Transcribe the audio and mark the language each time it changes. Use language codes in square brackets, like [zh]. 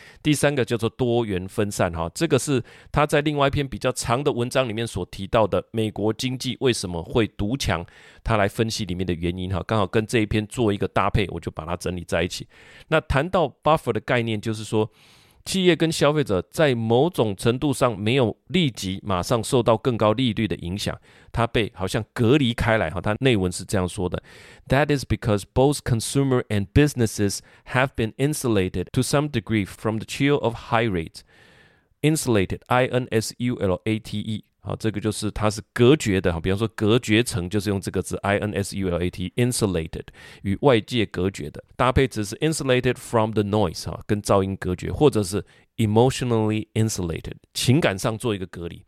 [zh] 第三个叫做多元分散，这个是他在另外一篇比较长的文章里面所提到的美国经济为什么会独强，他来分析里面的原因，刚好跟这一篇做一个搭配，我就把它整理在一起。那谈到 buffer 的概念，就是说企业跟消费者在某种程度上没有立即马上受到更高利率的影响，它被好像隔离开来，它内文是这样说的。 [en] That is because both consumer and businesses have been insulated to some degree from the chill of high rates. [zh] Insulated, I-N-S-U-L-A-T-E, 好，这个就是它是隔绝的，比方说隔绝层就是用这个字 I-N-S-U-L-A-T, insulated, 与外界隔绝的。搭配词是 [en] insulated from the noise, [zh] 跟噪音隔绝，或者是 [en] emotionally insulated, [zh] 情感上做一个隔离。